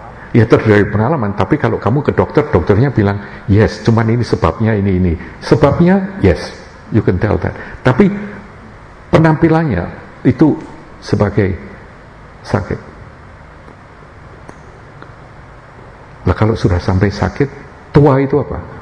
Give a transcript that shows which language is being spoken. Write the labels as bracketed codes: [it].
[id] Ya terdiri dari pengalaman, tapi kalau kamu ke dokter, dokternya bilang, yes, cuman ini sebabnya, ini. Sebabnya, [en] yes, you can tell that. [id] Tapi penampilannya itu sebagai sakit. Nah kalau sudah sampai sakit, tua itu apa?